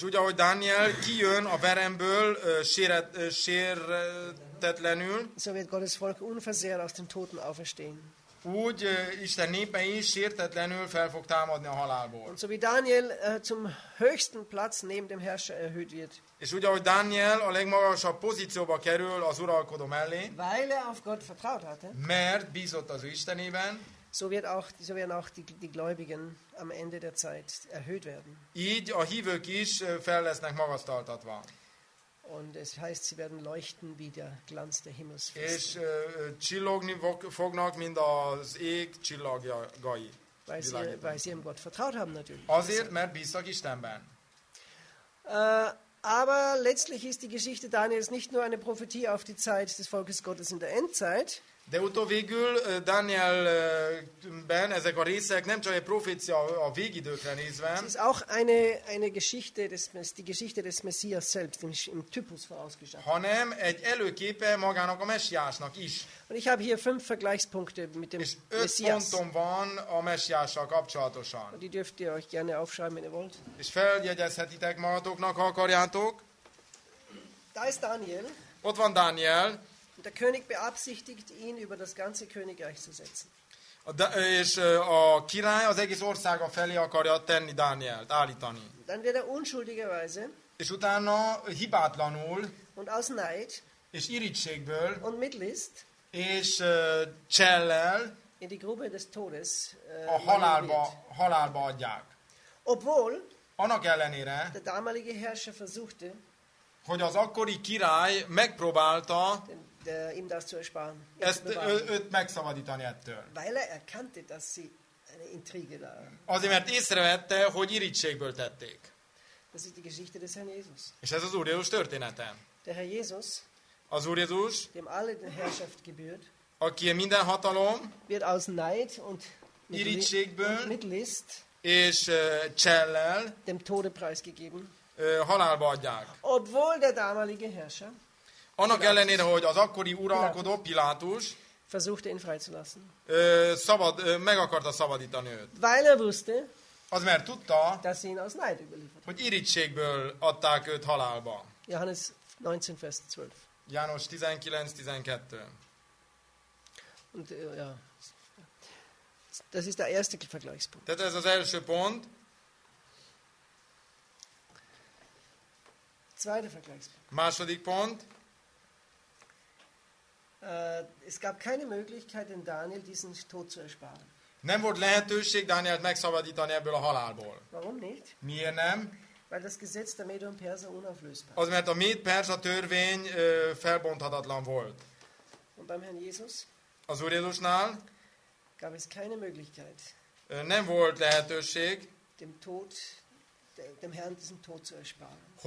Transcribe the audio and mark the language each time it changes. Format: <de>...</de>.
<hu>És úgy, ahogy Daniel kijön a veremből sértetlenül.</hu> <de>So wird Gottes Volk unversehrt aus den Toten auferstehen.</de> <hu>Úgy Isten népe is sértetlenül fel fog támadni a halálból.</hu> <de>Und so wie Daniel zum höchsten Platz neben dem Herrscher erhöht wird.</de> <hu>És úgy, ahogy Daniel a legmagasabb pozícióba kerül az uralkodó mellé.</hu> <de>Weil er auf Gott vertraut hatte.</de> <hu>Mert bízott az Istenében.</hu> <de>So werden auch die Gläubigen am Ende der Zeit erhöht werden.</de> <hu>Így a hívők is fel lesznek magasztaltatva.</hu> <de>Und es heißt, sie werden leuchten wie der Glanz der Himmelsfeste.</de> <hu>És csillogni fognak, mint az ég csillagjai.</hu> <de>weil sie ihrem Gott vertraut haben natürlich.</de> <hu>Azért, mert bíztak Istenben.</hu> <de>Aber letztlich ist die Geschichte Daniels nicht nur eine Prophetie auf die Zeit des Volkes Gottes in der Endzeit.</de> <hu>De utóvégül Danielben ezek a részek nem csak egy profécia a végidőkre nézve.</hu> <de>Es ist auch eine Geschichte des die Geschichte des Messias selbst im Typus vorausgestattet.</de> <hu>Hanem egy előképe magának a Messiásnak is.</hu> <de>Und ich habe hier 5 Vergleichspunkte mit dem Messias.</de> <hu>És 5 ponton van a Messiással kapcsolatosan.</hu> <de>Die dürft ihr euch gerne aufschreiben, wenn ihr wollt.</de> <hu>És feljegyezhetitek magatoknak, ha akarjátok.</hu> <de>Da ist Daniel.</de> <hu>Ott van Daniel.</hu> <de>Der König beabsichtigt ihn über das ganze Königreich zu setzen.</de> <hu>És a király az egész országa felé akarja tenni Dánielt, állítani.</hu> <de>Dann wird er unschuldigerweise.</de> <hu>És utána hibátlanul.</hu> <de>Und aus Neid.</de> <hu>És irigységből.</hu> <de>Und mit List.</de> <hu>És csellel.</hu> <de>In die Grube des Todes.</de> <hu>A halálba adják.</hu> <de>Obwohl.</de> <hu>Annak ellenére.</hu> <de>Der damalige Herrscher versuchte.</de> <hu>Hogy az akkori király megpróbálta.</hu> <de>De ihm das zu ersparen.</de> <hu>Ezt őt megszabadítani ettől.</hu> <de>Weil er erkannte, dass sie eine Intrige da.</de> <hu>Azért, mert észrevette, hogy irigységből tették.</hu> <de>Das ist die Geschichte des Herrn Jesus.</de> <hu>És ez az Úr Jézus története.</hu> <de>Der Herr Jesus.</de> <hu>Az Úr Jézus.</hu> <de>Dem alle die Herrschaft gebührt.</de> <hu>Aki minden hatalom.</hu> <de>Wird aus Neid und</de> <hu>irigységből.</hu> <de>Mit List.</de> <hu>És csellel.</hu> <de>Dem Tode preisgegeben.</de> <hu>Halálba adják.</hu> <de>Obwohl der damalige Herrscher.</de> <hu>Annak ellenére, hogy az akkori uralkodó Pilátus</hu> <de>versuchte ihn freizulassen.</de> <hu>Meg akarta szabadítani őt.</hu> <de>Weil er wusste,</de> <hu>az mert tudta,</hu> <de>dass ihn aus Neid überliefert.</de> <hu>Hogy irigységből adták őt halálba.</hu> <de>Johannes 19, Vers 12.</de> <hu>János 19, 12.</hu> <de>Und, ja. Das ist der erste Vergleichspunkt.</de> <hu>Tehát ez az első pont.</hu> <de>Zweiter Vergleichspunkt.</de> <hu>Második pont.</hu> <de>Es gab keine Möglichkeit, den Daniel diesen Tod zu ersparen.</de> <hu>Nem volt lehetőség Dánielt megszabadítani ebből a halálból.</hu> <de>Warum nicht?</de> <hu>Miért nem?</hu> <de>Weil das Gesetz der Medo und Perser unauflösbar.</de> <hu>Az, mert a Méd-Persa törvény felbonthatatlan volt.</hu> <de>Und beim Herrn Jesus?</de> <hu>Az Úr Jézusnál?</hu> <de>Gab es keine Möglichkeit.</de> <hu>Nem volt lehetőség.</hu> <de>Dem Tod, dem Herrn diesen Tod zu ersparen.</de>